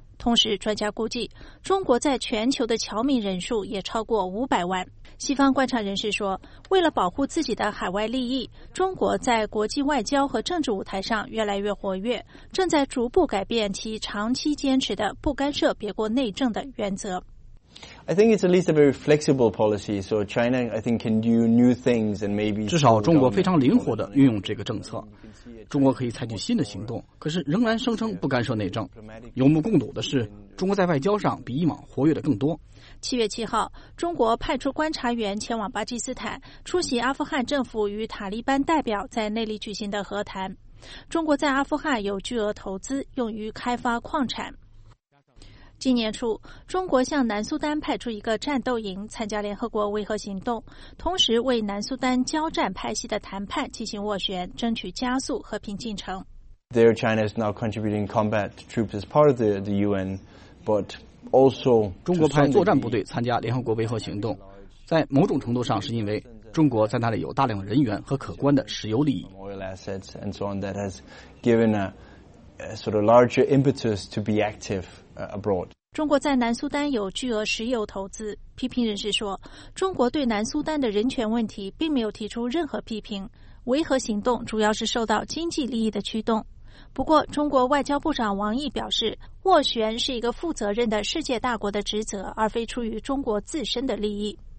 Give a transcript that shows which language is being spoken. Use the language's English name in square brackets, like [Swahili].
[Chinese] 同时，专家估计，中国在全球的侨民人数也超过500万。西方观察人士说，为了保护自己的海外利益，中国在国际外交和政治舞台上越来越活跃，正在逐步改变其长期坚持的不干涉别国内政的原则。 [English] I think it's at least a very flexible policy. So China, I think, can do new things and maybe. [Chinese] 至少中国非常灵活地运用这个政策，中国可以采取新的行动，可是仍然声称不干涉内政。有目共睹的是，中国在外交上比以往活跃的更多。 7月7号，中国派出观察员前往巴基斯坦，出席阿富汗政府与塔利班代表在内里举行的和谈。中国在阿富汗有巨额投资，用于开发矿产。今年初，中国向南苏丹派出一个战斗营参加联合国维和行动，同时为南苏丹交战派系的谈判进行斡旋，争取加速和平进程。 [English] There, China is now contributing combat troops as part of the UN, but also [Chinese] 中国派作战部队参加联合国维和行动，在某种程度上是因为中国在那里有大量人员和可观的石油利益。 [English] Oil assets and so on that has given a sort of larger impetus to be active. [Chinese] 中国在南苏丹有巨额石油投资，批评人士说，中国对南苏丹的人权问题并没有提出任何批评，维和行动主要是受到经济利益的驱动。不过，中国外交部长王毅表示，斡旋是一个负责任的世界大国的职责，而非出于中国自身的利益。